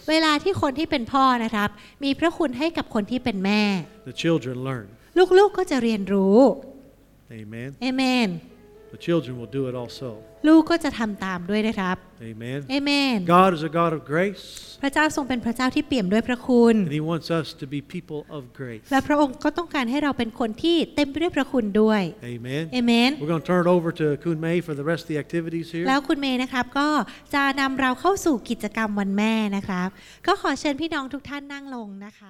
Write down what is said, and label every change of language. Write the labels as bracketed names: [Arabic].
[Thai] เวลาที่คนที่เป็นพ่อนะครับมีพระคุณให้กับคนที่เป็นแม่ [English] The children learn. [Thai] ลูกๆ ก็จะเรียนรู้ [English] Amen. Amen. The children will do it also. [Thai] ลูกก็จะทำตามด้วยนะครับ [English] Amen. Amen. God is a God of grace. [Thai] พระเจ้าทรงเป็นพระเจ้าที่เปี่ยมด้วยพระคุณ [English] And He wants us to be people of grace. [Thai] และพระองค์ก็ต้องการให้เราเป็นคนที่เต็มไปด้วยพระคุณด้วย [English] Amen. Amen. We're going to turn it over to Kun Mei for the rest of the activities here. [Thai] แล้วคุณเมย์นะครับก็จะนำเราเข้าสู่กิจกรรมวันแม่นะครับก็ขอเชิญพี่น้องทุกท่านนั่งลงนะคะ